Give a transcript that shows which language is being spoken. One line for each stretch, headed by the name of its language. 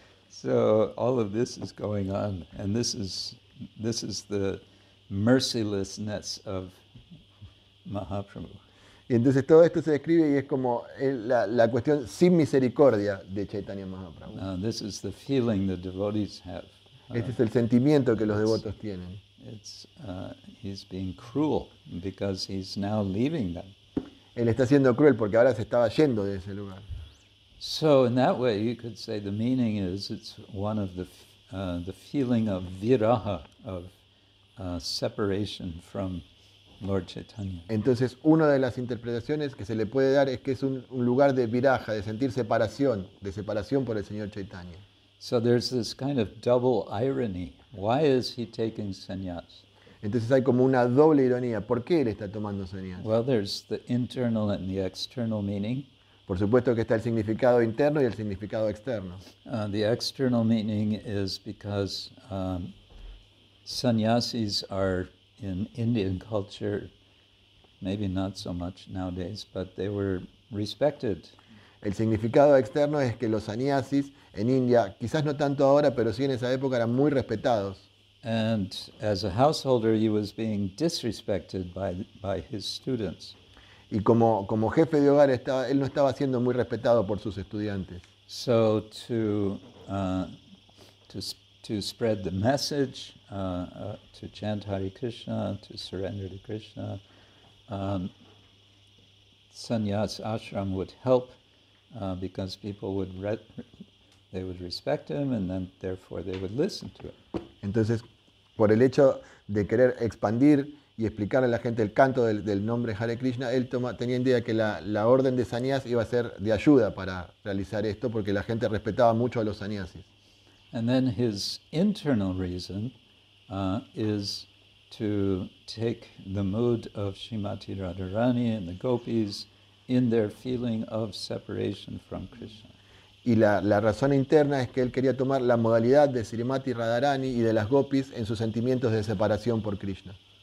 English: So all of this is going on, and this is the mercilessness of Mahaprabhu.
Spanish: Y entonces todo esto se describe y es como la cuestión sin misericordia de Chaitanya Mahaprabhu.
English: This is the feeling the devotees have.
Spanish: Este es el sentimiento que los devotos tienen.
English: He's being cruel because he's now leaving them.
Spanish: Él está siendo cruel porque ahora se estaba yendo de ese lugar.
English: So in that way you could say the meaning is it's one of the feeling of viraha, of separation from Lord Chaitanya.
Spanish: Entonces una de las interpretaciones que se le puede dar es que es un lugar de viraja, de sentir separación, de separación por el señor Chaitanya.
English: So there's this kind of double irony. Why is he taking sannyas?
Spanish: Entonces hay como una doble ironía. ¿Por qué él está tomando sannyas?
English: Well, there's the internal and the external meaning.
Spanish: Por supuesto que está el significado interno y el significado externo.
English: The external meaning is because sannyasis are in Indian culture, maybe not so much nowadays, but they were respected.
Spanish: El significado externo es que los sannyasis en India, quizás no tanto ahora, pero sí en esa época, eran muy respetados.
English: And as a householder, he was being disrespected by his students.
Spanish: Y como jefe de hogar, él no estaba siendo muy respetado por sus estudiantes.
English: So to spread the message, to chant Hare Krishna, to surrender to Krishna, sannyas ashram would help. Because people would respect him, and then therefore they would listen to him.
Spanish: Entonces, por el hecho de querer expandir y explicar a la gente el canto del nombre Hare Krishna, él tenía idea que la orden de sannyas iba a ser de ayuda para realizar esto, porque la gente respetaba mucho a los sannyasis.
English: And then his internal reason is to take the mood of Srimati Radharani and the gopis in their feeling of separation from Krishna.
Spanish: Y la razón interna es que él quería tomar la modalidad de Srimati Radharani y de las gopis en sus sentimientos de separación por Krishna.